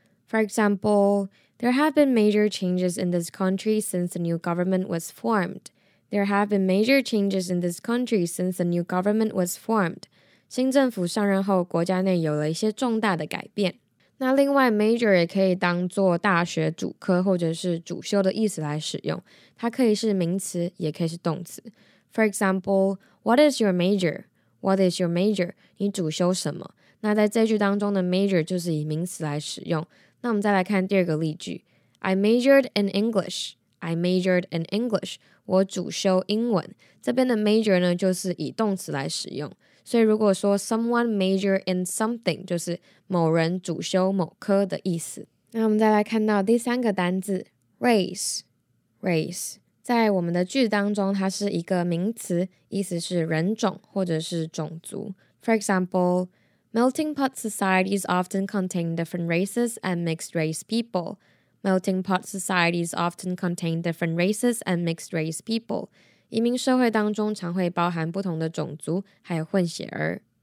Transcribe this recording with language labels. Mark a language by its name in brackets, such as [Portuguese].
[English] For example, there have been major changes in this country since the new government was formed. There have been major changes in this country since the new government was formed. [Chinese] 新政府上任后，国家内有了一些重大的改变。那另外 ，major 也可以当作大学主科或者是主修的意思来使用。它可以是名词，也可以是动词。 [English] For example, what is your major? What is your major? [Chinese] 你主修什么？那在这句当中的 major 就是以名词来使用。那我们再来看第二个例句。 [English] I majored in English. I majored in English. [Chinese] 我主修英文。这边的 major 呢就是以动词来使用。所以如果说 [English] someone major in something, [Chinese] 就是某人主修某科的意思。那我们再来看到第三个单字。 [English] Race. Race. [Chinese] 在我们的句当中，它是一个名词，意思是人种或者是种族。 [English] For example, melting pot societies often contain different races and mixed race people. Melting pot societies often contain different races and mixed race people. [Chinese] 移民社会当中常会包含不同的种族，还有混血儿。